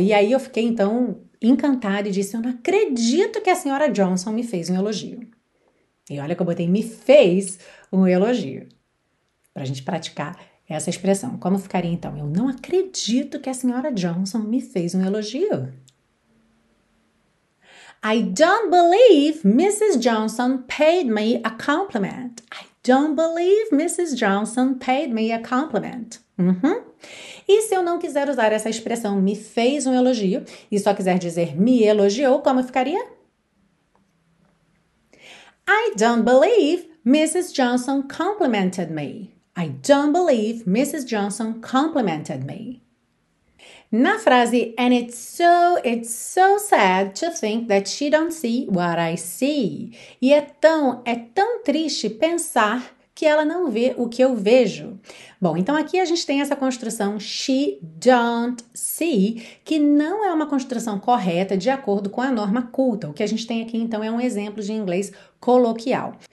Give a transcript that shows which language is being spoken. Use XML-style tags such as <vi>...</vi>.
<pt>E aí eu fiquei então encantada e disse: Eu não acredito que a senhora Johnson me fez um elogio. E olha que eu botei: me fez um elogio. Para a gente praticar essa expressão. Como ficaria então? Eu não acredito que a senhora Johnson me fez um elogio.</pt> <en>I don't believe Mrs. Johnson paid me a compliment. I don't believe Mrs. Johnson paid me a compliment.</en> <pt>E se eu não quiser usar essa expressão me fez um elogio e só quiser dizer me elogiou, como ficaria?</pt> <en>I don't believe Mrs. Johnson complimented me. I don't believe Mrs. Johnson complimented me.</en> <pt>Na frase,</pt> <en>and it's so sad to think that she don't see what I see.</en> <pt>E é tão triste pensar que ela não vê o que eu vejo. Bom, então aqui a gente tem essa construção</pt> <en>she don't see,</en> <pt>que não é uma construção correta de acordo com a norma culta. O que a gente tem aqui então é um exemplo de inglês coloquial.</pt>